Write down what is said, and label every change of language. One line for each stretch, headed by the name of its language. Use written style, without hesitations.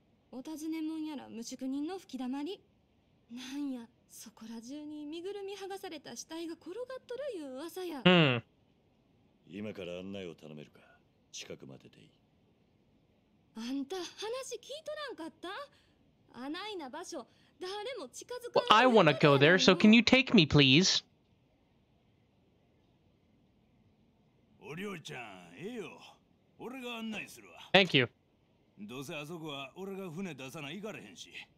Japanese: お尋ねもんやら無宿人の吹き溜まり。なんや、そこら中に身ぐるみ剥がされた死体が転がっとるいう噂や。うん。今から案内を頼めるか。近くまででいい。あんた話聞いとらんかった？あないな場所、誰も近づかん。
English: Well, I wanna go there, so can you take me, please?
Japanese: おりょうちゃん、ええよ。俺が案内するわ。
English: Thank you.
Japanese: どうせあそこは俺が船出さないからへんし。